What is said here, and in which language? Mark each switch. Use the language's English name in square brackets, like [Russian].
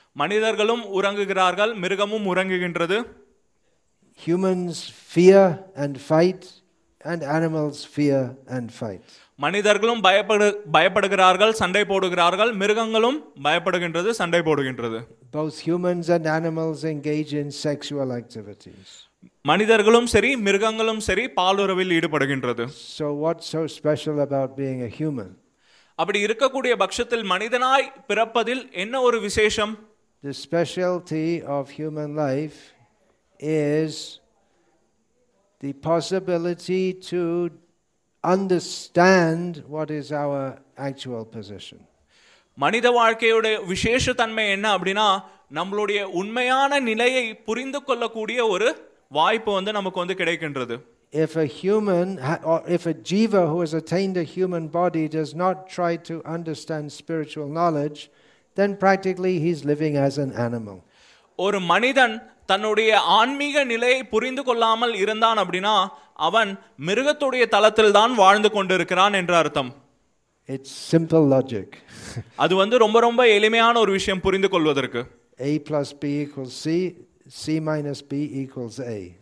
[Tamil] மனிதர்களும் உறங்குகிறார்கள், மிருகமும் உறங்குகின்றது. [English] Humans fear and fight and animals fear and fight. [Tamil] மனிதர்களும் பயப்படுகிறார்கள், சண்டை போடுகிறார்கள், மிருகங்களும் பயப்படுகின்றது, சண்டை போடுகின்றது. [English] Both humans and animals engage in sexual activities. [Tamil] மனிதர்களும் சரி மிருகங்களும் சரி பாலுறவில் ஈடுபடுகின்றது. [English] So what's so special about being a human? [Tamil] அப்படி இருக்கக்கூடிய பட்சத்தில் மனிதனாய் பிறப்பதில் என்ன ஒரு விசேஷம்? [English] The specialty of human life is the possibility to understand what is our actual position. [Tamil] மனித வாழ்க்கையுடைய விசேஷ தன்மை என்ன அப்படினா நம்மளுடைய உண்மையான நிலையை புரிந்துகொள்ளக்கூடிய ஒரு வாய்ப்பு வந்து நமக்கு வந்து கிடைக்கின்றது. [English] If a human or if a jiva who has attained a human body does not try to understand spiritual knowledge, then practically he's living as an animal. [Tamil] ஒரு மனிதன் தன்னுடைய ஆன்மீக நிலையை புரிந்து கொள்ளாமல் இருந்தான் அப்படின்னா அவன் மிருகத்துடைய தளத்தில் தான் வாழ்ந்து கொண்டிருக்கிறான் என்று அர்த்தம். [English] It's simple logic. [Tamil] அது வந்து ரொம்ப ரொம்ப எளிமையான ஒரு விஷயம் புரிந்து கொள்வதற்கு. [English] A plus B equals C, C minus B equals A.